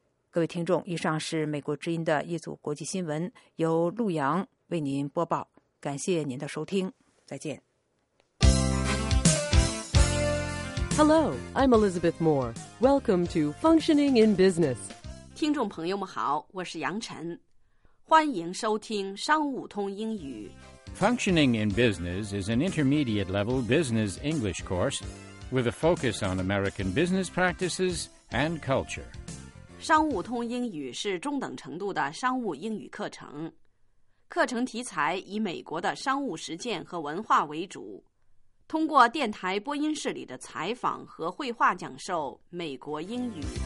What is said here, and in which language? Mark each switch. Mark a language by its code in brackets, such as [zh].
[zh] 各位听众，以上是美国之音的一组国际新闻，由陆阳为您播报，感谢您的收听，再见。 [en] Hello, I'm Elizabeth Moore. Welcome to Functioning in Business. [zh] 听众朋友们好，我是杨晨，欢迎收听商务通英语。 [en] Functioning in Business is an intermediate level business English course with a focus on American business practices and culture. [zh] 商务通英语是中等程度的商务英语课程，课程题材以美国的商务实践和文化为主，通过电台播音室里的采访和绘画讲授美国英语。